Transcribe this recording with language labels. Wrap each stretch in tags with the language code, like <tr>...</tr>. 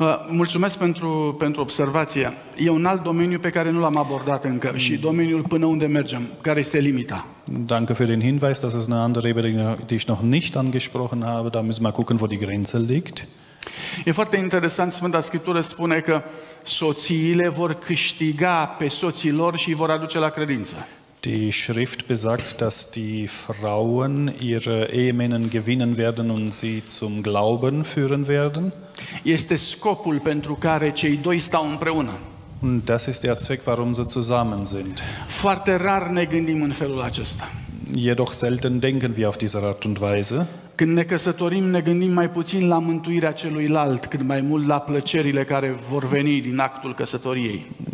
<ro>Mulțumesc pentru observație. E un alt domeniu pe care nu l-am abordat încă și domeniul până unde mergem, care este limita.</ro> <de>Danke für den Hinweis, dass es eine andere Ebene, die ich noch nicht angesprochen habe. Da müssen wir gucken, wo die Grenze liegt.</de> <ro>E foarte interesant, Sfânta Scriptură spune că soțiile vor câștiga pe soții lor și vor aduce la credință.</ro> <de>Die Schrift besagt, dass die Frauen ihre Ehemänner gewinnen werden und sie zum Glauben führen werden.</de> <ro>Este scopul pentru care cei doi stau împreună.</ro> <de>Und das ist der Zweck, warum sie zusammen sind.</de> <ro>Foarte rar ne gândim în felul acesta.</ro> <de>Jedoch selten denken wir auf diese Art und Weise.</de> <ro>Când ne căsătorim, ne gândim mai puțin la mântuirea celuilalt, cât mai mult la plăcerile care vor veni din actul căsătoriei.</ro>